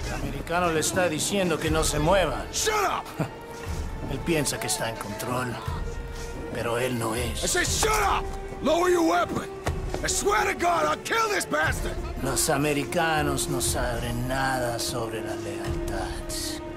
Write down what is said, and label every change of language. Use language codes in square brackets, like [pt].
[es] El americano le está diciendo que no se mueva. [en] Shut up! [es] Él piensa que está en control, pero él no es. [en] I say, shut up! Lower your weapon! I swear to God, I'll kill this bastard! [es] Los americanos no saben nada sobre la lealtad.